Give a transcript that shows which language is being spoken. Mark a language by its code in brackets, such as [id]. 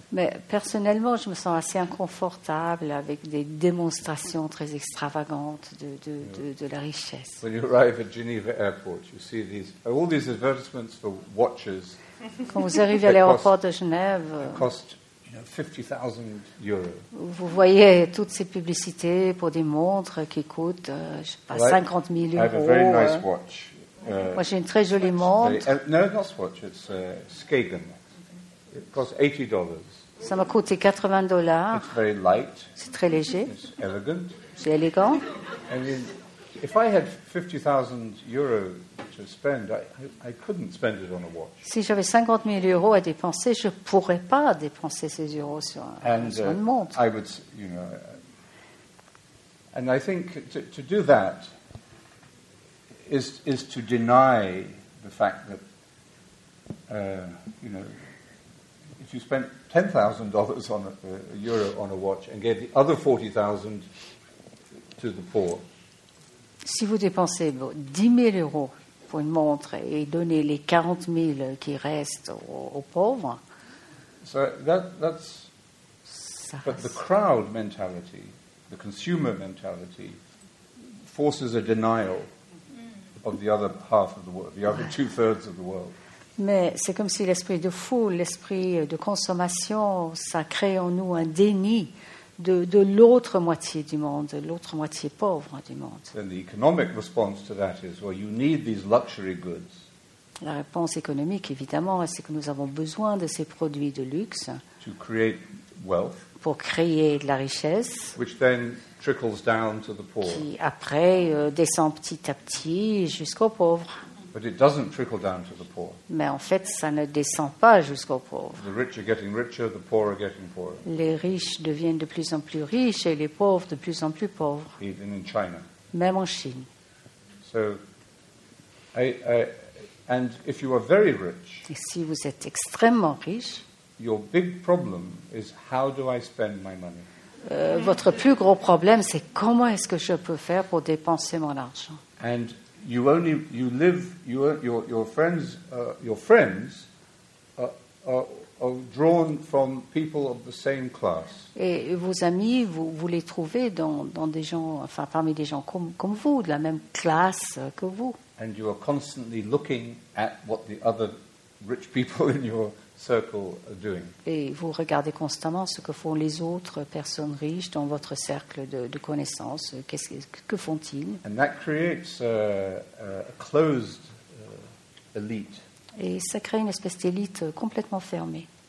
[fr] Mais personnellement, je me sens assez inconfortable avec des démonstrations très extravagantes de la richesse. [en] When you arrive at Geneva Airport, you see all these advertisements for watches. [fr] Quand vous arrivez à l'aéroport de Genève, [en] €50,000. [fr] Vous voyez toutes ces publicités pour des montres qui coûtent, je sais pas, 50 000 euros. [en] I have a very nice watch. [fr] Moi, j'ai une très jolie montre. [en] No, not Swatch, it's Skagen. It costs $80. [fr] Ça m'a coûté $80. [en] It's very light. [fr] C'est très léger. [en] It's elegant. [fr] C'est élégant. [en] I mean, if I had €50,000 to spend, I couldn't spend it on a watch. [fr] Si j'avais 50 000 euros à dépenser, je pourrais pas dépenser ces euros sur une montre. [en] I would, you know, and I think to do that is to deny the fact that, you know, if you spent $10,000 on a euro on a watch and gave the other $40,000 to the poor. [fr] Si vous dépensez 10 000 euros pour une montre et donnez les 40 000 qui restent aux pauvres, [en] so that's [fr] ça. [en] But the crowd mentality, the consumer mentality, forces a denial of the other half of the world, the other two-thirds of the world. [fr] Mais c'est comme si l'esprit de foule, l'esprit de consommation, ça crée en nous un déni de l'autre moitié du monde, de l'autre moitié pauvre du monde. [en] Then the economic response to that is, well, you need these luxury goods. [fr] La réponse économique, évidemment, c'est que nous avons besoin de ces produits de luxe. [en] To create wealth. [fr] Pour créer de la richesse. [en] Which then trickles down to the poor. [fr] Qui après descend petit à petit jusqu'aux pauvres. [en] But it doesn't trickle down to the poor. [fr] Mais en fait, ça ne descend pas jusqu'aux pauvres. [en] The rich are getting richer, the poor are getting poorer. [fr] Les riches deviennent de plus en plus riches et les pauvres de plus en plus pauvres. [en] Even in China. [fr] Même en Chine. [en] So, and if you are very rich, [fr] et si vous êtes extrêmement riche, [en] your big problem is how do I spend my money? [fr] Votre plus gros problème, c'est comment est-ce que je peux faire pour dépenser mon argent? [en] And you only you live you your friends your friends are drawn from people of the same class. [fr] Et vos amis, vous les trouvez dans des gens, enfin parmi des gens comme vous, de la même classe que vous. [en] And you are constantly looking at what the other rich people in your circle are doing. [fr] Et vous regardez constamment ce que font les autres personnes riches dans votre cercle de connaissances. Que font-ils? [en] And that creates a closed elite. [fr] Et ça crée une espèce d'élite complètement fermée.